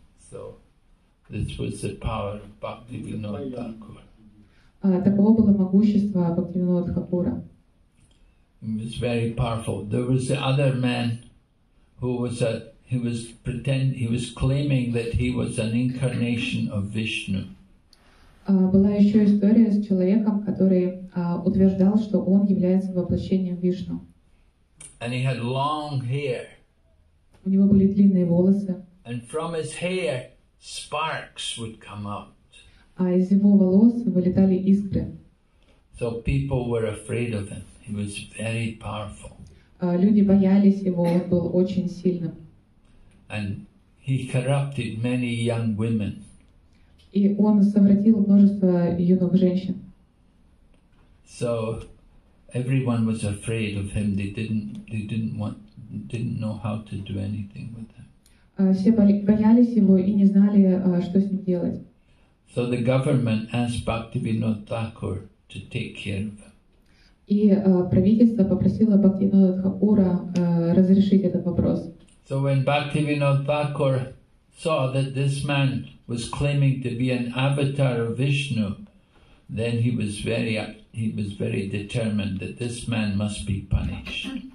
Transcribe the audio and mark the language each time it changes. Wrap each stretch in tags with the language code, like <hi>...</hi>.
<en>So, this was the power of Bhaktivinoda Thakur.</en> <ru>Таково было могущество Бхактивинода Хакура.</ru> <en>He was very powerful. There was the other man who was a He was claiming that he was an incarnation of Vishnu.</en> <ru>Была еще история с человеком, который утверждал, что он является воплощением Вишну.</ru> <en>And he had long hair.</en> <ru>У него были длинные волосы.</ru> <en>And from his hair, sparks would come out.</en> <ru>А из его волос вылетали искры.</ru> <en>So people were afraid of him. He was very powerful.</en> <ru>Люди боялись его. Он был очень сильным.</ru> <en>And he corrupted many young women.</en> <ru>И он совратил множество юных женщин.</ru> <en>So everyone was afraid of him. They didn't know how to do anything with him.</en> <ru>Все боялись его и не знали, что с ним делать.</ru> <en>So the government asked Bhaktivinoda Thakur to take care of him.</en> <ru>И правительство попросило Бхактивинода Хакура разрешить этот вопрос.</ru> <en>So when Bhaktivinoda Thakur saw that this man was claiming to be an avatar of Vishnu, then he was very determined that this man must be punished.</en>